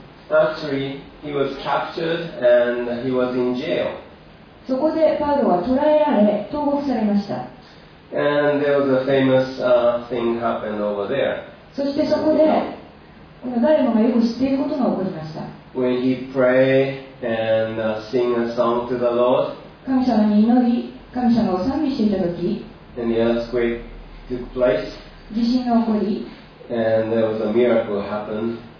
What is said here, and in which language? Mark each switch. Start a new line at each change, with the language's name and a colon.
English: Actually, he was captured and he was in jail.
Japanese: そこでパウロは捕らえられ投獄されました。
English: And there was a famous thing happened over there.
Japanese: そしてそこで誰もがよく知っていることが起こりました。
English: When he prayed and sing a song to the Lord,
Japanese: 神様に祈り、神様を賛美していたとき、
English: and the earthquake took place,
Japanese: 地震が起こり、
English: and there was a miracle happened,